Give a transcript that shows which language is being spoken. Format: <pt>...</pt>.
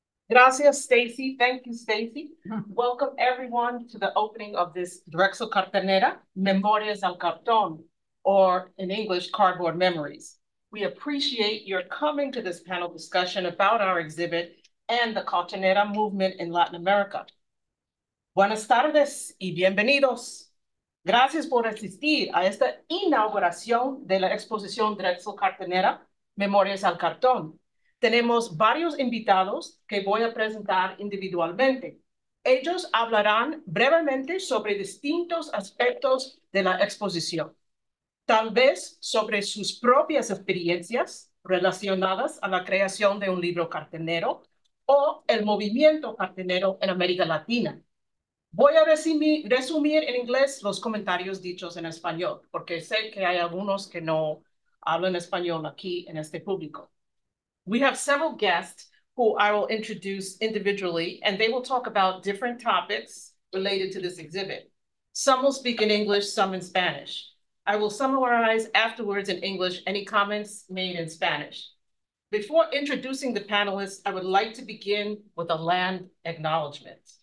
<es>Gracias, Stacy.</es> <en>Thank you, Stacy. Welcome, everyone, to the opening of this Drexel Cartonera, Memorias al Cartón, or in English, Cardboard Memories. We appreciate your coming to this panel discussion about our exhibit and the Cartonera movement in Latin America.</en> <es>Buenas tardes y bienvenidos. Gracias por asistir a esta inauguración de la exposición Drexel Cartonera, Memorias al Cartón. Tenemos varios invitados que voy a presentar individualmente. Ellos hablarán brevemente sobre distintos aspectos de la exposición, tal vez sobre sus propias experiencias relacionadas a la creación de un libro cartonero o el movimiento cartonero en América Latina. Voy a resumir en inglés los comentarios dichos en español, porque sé que hay algunos que no hablan español aquí en este público.</es> <en>We have several guests who I will introduce individually, and they will talk about different topics related to this exhibit. Some will speak in English, some in Spanish. I will summarize afterwards in English any comments made in Spanish. Before introducing the panelists, I would like to begin with a land acknowledgement.</en>